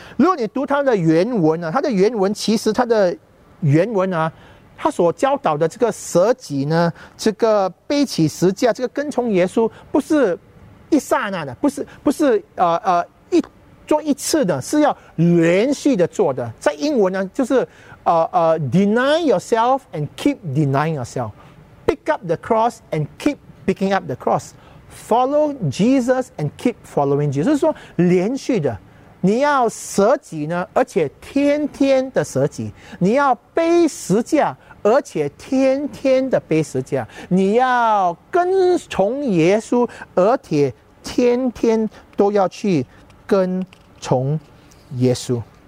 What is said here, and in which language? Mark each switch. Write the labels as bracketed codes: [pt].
[zh] 如果你读它的原文、啊、它的原文其实它的原文啊，它所教导的这个舍己呢，这个背起十字架，这个跟从耶稣，不是一刹那的，不是一做一次的，是要连续的做的。在英文呢，就是 [en] deny yourself and keep denying yourself. Pick up the cross and keep picking up the cross. Follow Jesus and keep following Jesus. [zh] 就是说连续的，你要舍己呢，而且天天的舍己，你要背十字架，而且天天的背十字架，你要跟从耶稣，而且天天都要去跟从耶稣。